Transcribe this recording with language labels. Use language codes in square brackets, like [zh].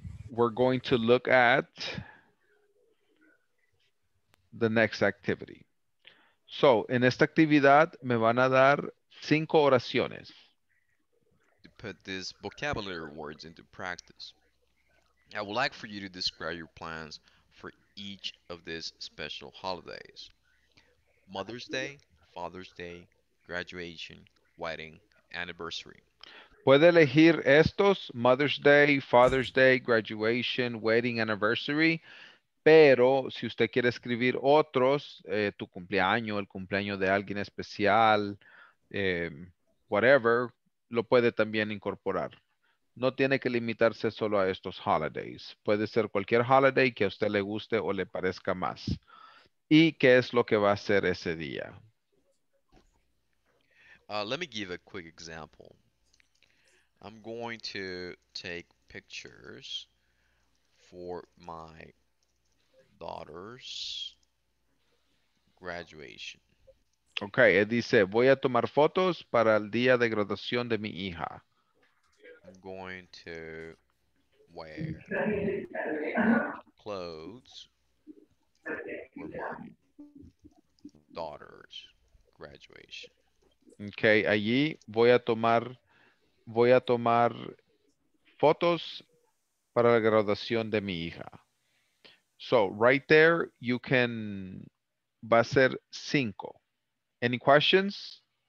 [en] We're going to look at the next activity. [es] So, en esta actividad me van a dar 5 oraciones. [en] To put these vocabulary words into practice, I would like for you to describe your plans for each of these special holidays. Mother's Day, Father's Day, graduation, wedding, anniversary. [es] Puede elegir estos, [en] Mother's Day, Father's Day, graduation, wedding, anniversary. [es] Pero si usted quiere escribir otros, tu cumpleaños, el cumpleaños de alguien especial, whatever, lo puede también incorporar. No tiene que limitarse solo a estos holidays. Puede ser cualquier holiday que a usted le guste o le parezca más. ¿Y qué es lo que va a hacer ese día? [en] Let me give a quick example. I'm going to take pictures for my daughter's graduation. [es] Okay, él dice, voy a tomar fotos para el día de graduación de mi hija. [en] I'm going to wear clothes for my daughter's graduation. [es] Okay, allí voy a tomar fotos para la graduación de mi hija. [en] So, right there, you can, [es] va a ser 5. [en] Any questions?